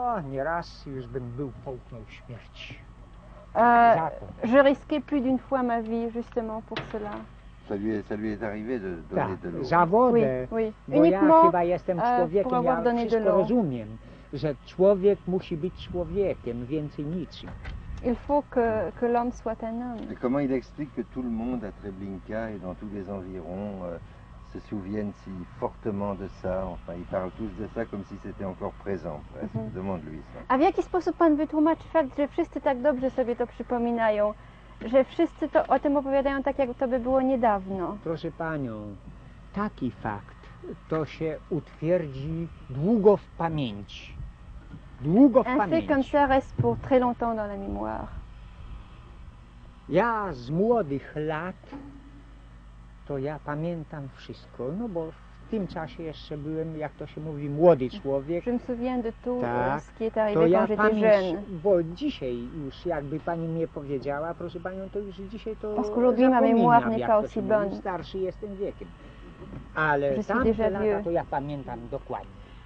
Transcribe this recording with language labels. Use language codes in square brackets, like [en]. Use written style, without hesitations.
[pl] Nie raz już bym był połknął śmierć. [fr] Je risquais plus d'une fois ma vie, justement, pour cela. Ça lui est arrivé de donner de l'eau. [pl] Za wodę, [fr] oui, oui. Uniquement [pl] bo ja chyba jestem człowiekiem, [fr] pour avoir donné de l'eau. [pl] Rozumiem, że człowiek musi być człowiekiem, więcej nic. [fr] Il faut que l'homme soit un homme. Et comment il explique que tout le monde à Treblinka et dans tous les environs se souviennent si fortement de ça? Enfin, ils parlent tous de ça comme si c'était encore présent. Demande-lui ça. [pl] A w jaki sposób pan wytłumaczy fakt, że wszyscy tak dobrze sobie to przypominają? Że wszyscy to o tym opowiadają tak, jak to by było niedawno. Proszę panią, taki fakt to się utwierdzi długo w pamięci. Długo w [fr] Un [pl] pamięci. [fr] Un fait comme ça reste pour très longtemps dans la mémoire. [pl] Ja z młodych lat to ja pamiętam wszystko, no bo w tym czasie jeszcze byłem, jak to się mówi, młody człowiek. [fr] Je me souviens de tout ce qui est arrivé quand j'étais jeune. [pl] Bo dzisiaj już, jakby pani mnie powiedziała, proszę panią, to już dzisiaj to [fr] parce qu'aujourd'hui ma mémoire n'est pas aussi bonne. [pl] Starszy jestem wiekiem. Ale tamte lata to ja pamiętam dokładnie.